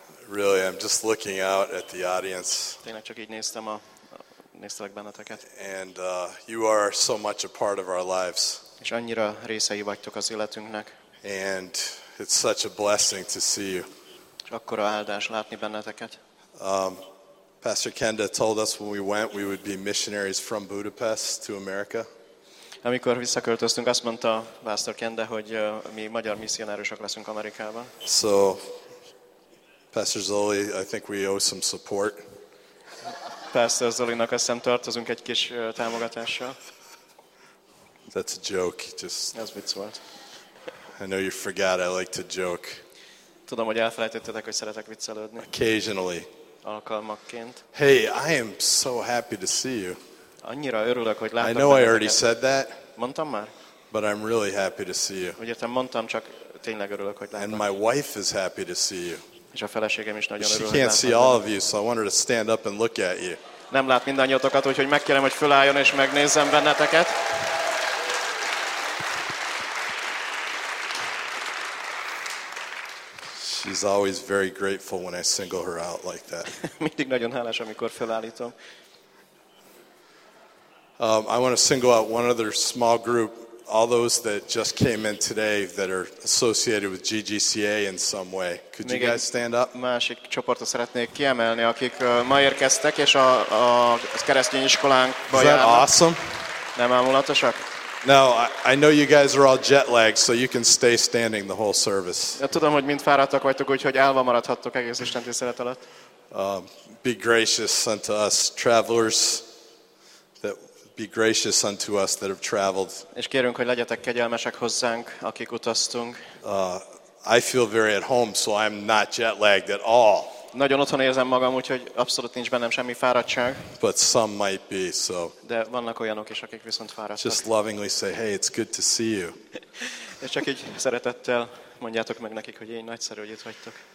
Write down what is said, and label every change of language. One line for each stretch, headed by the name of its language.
English: Really, I'm just looking out at the audience.
Hungarian: Tényleg csak így néztelek benneteket.
English: And you are so much a part of our lives.
Hungarian: És annyira részei vagytok az életünknek.
English: And it's such a blessing to see you.
Hungarian: És akkora áldás látni benneteket.
English: Pastor Kenda told us when we went we would be missionaries from Budapest to America.
Hungarian: Amikor visszaköltöztünk, azt mondta Pastor Kende, hogy mi magyar misszionárosok leszünk Amerikában.
English: So, Pastor Zoli, I think we owe some support.
Hungarian: Pastor Zolinak azt hiszem tartozunk egy kis támogatással.
English: That's a joke. Just.
Hungarian: Ez vicc volt.
English: I know you forgot, I like to joke.
Hungarian: Tudom, hogy elfelejtettetek, hogy szeretek viccelődni.
English: Occasionally.
Hungarian: Alkalmakként.
English: Hey, I am so happy to see you.
Hungarian: Annyira örülök, hogy láttam.
English: I know I already said that.
Hungarian: Mondtam már.
English: But I'm really happy to see you.
Hungarian: Ugye mondtam, csak tényleg örülök, hogy láttam.
English: And my wife is happy to see you.
Hungarian: És a feleségem is nagyon örül.
English: She can't see all of you, so I wanted to stand up and look at you.
Hungarian: Nem lát mindannyiótokat, úgyhogy megkérem, hogy fölálljon és megnézzem benneteket.
English: She's always very grateful when I single her out like that.
Hungarian: Mindig nagyon hálás, amikor fölállítom.
English: I want to single out one other small group, all those that just came in today that are associated with GGCA in some way. Could
Hungarian: Még
English: you guys stand up?
Hungarian: Másik csoportot szeretnék kiemelni, akik ma érkeztek, és a keresztény iskolánkba járnak.
English: Is that awesome?
Hungarian: Nem álmulatosak?
English: No, I know you guys are all jet lagged, so you can stay standing the whole service.
Hungarian: Tudom, hogy mind fáradtak vagytok, úgyhogy állva maradhattok egész istentisztelet alatt.
English: Be gracious unto us travelers. Be gracious unto us that have traveled.
Hungarian: És kérünk, hogy legyetek kegyelmesek hozzánk, akik utaztunk.
English: I feel very at home, so I'm not jet lagged at all.
Hungarian: Nagyon otthon érzem magam, úgyhogy abszolút nincs bennem semmi fáradtság.
English: But some might be, so.
Hungarian: De vannak olyanok is, akik viszont fáradtak.
English: Just lovingly say, hey, it's good to see you.
Hungarian: És csak így szeretettel mondjátok meg nekik, hogy én nagyszerű, hogy itt vagytok.